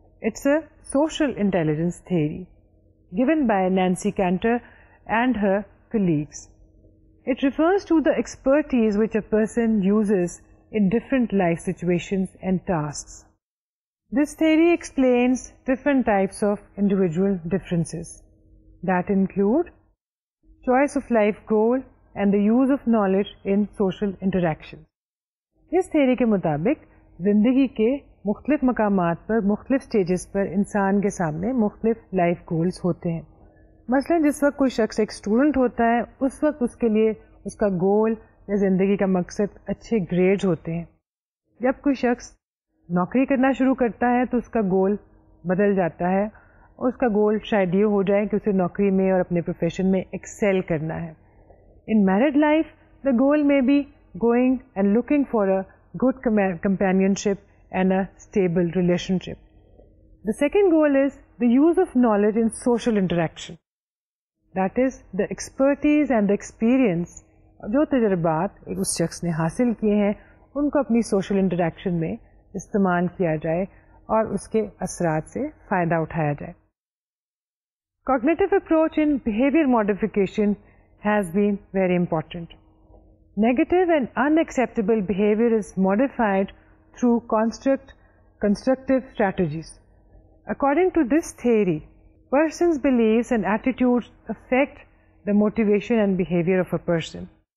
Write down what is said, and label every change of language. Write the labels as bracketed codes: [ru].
[en] It's a social intelligence theory given by Nancy Cantor and her colleagues. It refers to the expertise which a person uses in different life situations and tasks. This theory explains different types of individual differences that include choice of life goal and the use of knowledge in social interactions. [ur] اس theory کے مطابق زندگی کے مختلف مقامات پر مختلف stages پر انسان کے سامنے مختلف لائف گولز ہوتے ہیں. مثلا جس وقت کوئی شخص ایک اسٹوڈنٹ ہوتا ہے اس وقت اس کے لیے اس کا گول یا زندگی کا مقصد اچھے گریڈز ہوتے ہیں. جب کوئی شخص نوکری کرنا شروع کرتا ہے تو اس کا گول بدل جاتا ہے, اس کا گول شاید یہ ہو جائے کہ اسے نوکری میں اور اپنے پروفیشن میں ایکسیل کرنا ہے. [en] In married life the goal may be going and looking for a good companionship and a stable relationship. The second goal is the use of knowledge in social interaction. That is the expertise and the experience [ur] جو تجربات اس شخص نے حاصل کیے ہیں ان کو اپنی social interaction میں استعمال کیا جائے اور اس کے اثرات سے فائدہ اٹھایا جائے. [en] Cognitive approach in behavior modification has been very important. Negative and unacceptable behavior is modified through constructive strategies. According to this theory, person's beliefs and attitudes affect the motivation and behavior of a person.